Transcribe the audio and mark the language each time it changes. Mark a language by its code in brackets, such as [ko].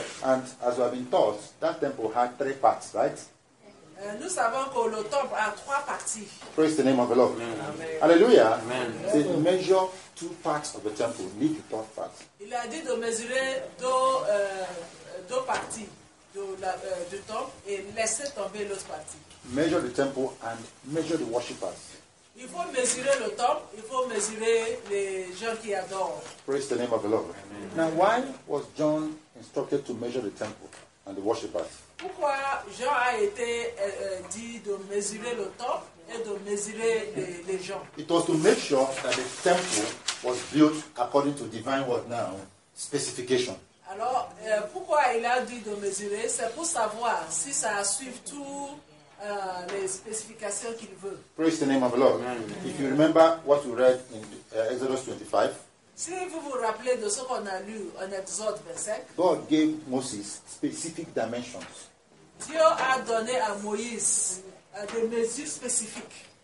[en] And as we have been taught, that temple had three parts, right? [fr] Nous savons que le temple a trois parties. [en] Praise the name of the Lord. Amen. Hallelujah. Amen. So measure two parts of the temple, need the third part. [fr] Il a dit de mesurer deux parties du temple et laisser tomber l'autre partie. [en] Measure the temple and measure the worshippers. [fr] Il faut mesurer le temple, il faut mesurer les gens qui adorent. [en] Praise the name of the Lord. Amen. Now, why was John instructed to measure the temple and the worshippers? [fr] Pourquoi Jean a été dit de mesurer le temple et de mesurer les gens? [en] It was to make sure that the temple was built according to divine word now, specification. [fr] Alors, pourquoi il a dit de mesurer? C'est pour savoir si ça suit tout... les spécifications qu'il veut. [en] Praise the name of the Lord. Amen. If you remember what we read in Exodus 25, [fr] si vous vous rappelez de ce qu'on a lu en Exode 25, [en] God gave Moses specific dimensions. [fr] Dieu a donné à Moïse des mesures spécifiques.